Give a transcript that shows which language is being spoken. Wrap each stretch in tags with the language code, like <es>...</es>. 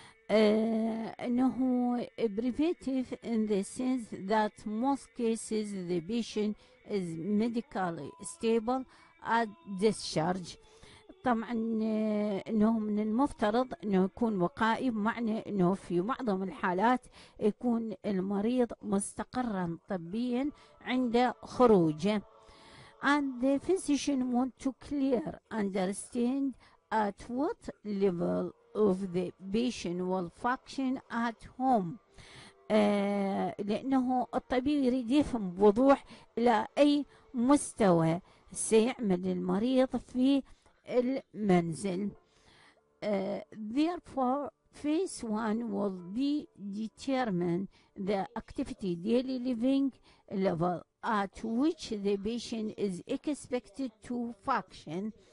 <en>انه preventive in the sense that most cases the patient is medically stable at discharge.</en> <ar>طبعا انه من المفترض انه يكون وقائي، بمعنى انه في معظم الحالات يكون المريض مستقرا طبيا عند خروجه.</ar> <en>And the physician want to clear understand at what level of the patient will function at home.</en> <ar>لأنه الطبيب يريد يفهم بوضوح إلى أي مستوى سيعمل المريض في المنزل.</ar> <en>Therefore, phase 1 will be determine the activity daily living level at which the patient is expected to function.</en>